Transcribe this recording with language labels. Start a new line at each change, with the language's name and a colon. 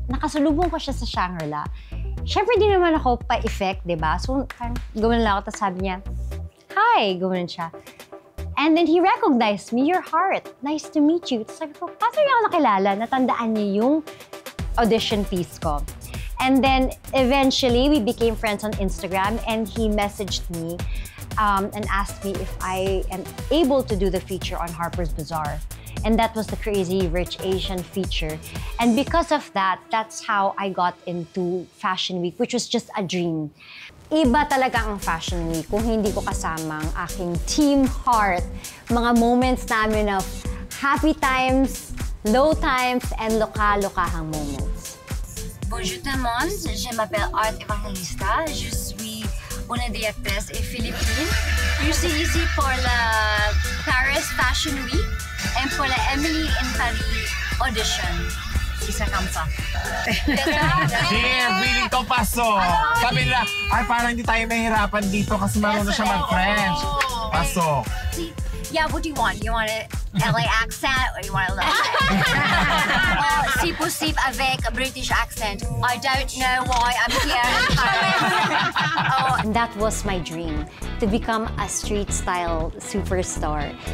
Filipino: Nakasalubong ko siya sa Shangri-La. Siyempre, di naman ako pa-effect, di ba? So, gumanan lang ako. Tapos sabi niya, hi! Gumanan siya.
English: And then he recognized me, your heart. Nice to meet you.
Filipino: Sabi ko, paano niya ako nakilala? Natandaan niya yung audition piece ko.
English: And then eventually, we became friends on Instagram and he messaged me and asked me if I am able to do the feature on Harper's Bazaar. And that was the Crazy Rich Asian feature. And because of that, that's how I got into Fashion Week, which was just a dream.
Filipino: Iba talaga ang Fashion Week kung hindi ko kasama ang aking team heart.
English: Mga moments namin of happy times, low times, and loka-lokahang moments.
French: Bonjour tout le monde, je m'appelle Art Evangelista. Je suis une des actrices et Philippines. Je suis ici pour la Paris Fashion Week et pour la Emily in Paris audition. Isa kampa. Yeah, willing to paso.
Filipino: Sabi nila, ay parang hindi tayo nahihirapan dito kasi marunong siya mag-French. Paso.
English: Yeah, what do you want? You want an LA accent or you want a little accent?
French: Si possible avec
English: a British accent. I don't know why I'm here. And that was my dream, to become a street-style superstar.